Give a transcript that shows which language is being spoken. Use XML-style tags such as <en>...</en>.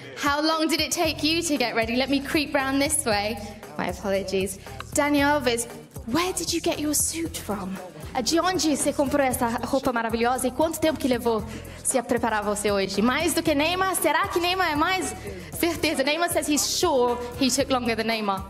<en>How long did it take you to get ready? Let me creep round this way. My apologies. Dani Alves, where did you get your suit from?</en> <pt>De onde você comprou essa roupa maravilhosa e quanto tempo que levou se a preparar você hoje? Mais do que Neymar? Será que Neymar é mais? Certeza.</pt> <en>Neymar says he's sure he took longer than Neymar.</en>